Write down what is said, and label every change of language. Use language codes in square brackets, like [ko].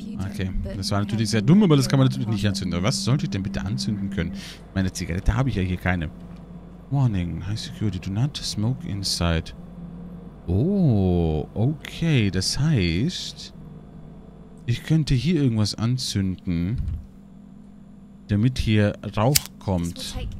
[de] Okay, das war natürlich sehr dumm, aber das kann man natürlich nicht anzünden. Was sollte ich denn bitte anzünden können? Meine Zigarette habe ich ja hier keine. [en] Warning, high security, do not smoke inside. [de] Oh, okay, das heißt, ich könnte hier irgendwas anzünden, damit hier Rauch kommt.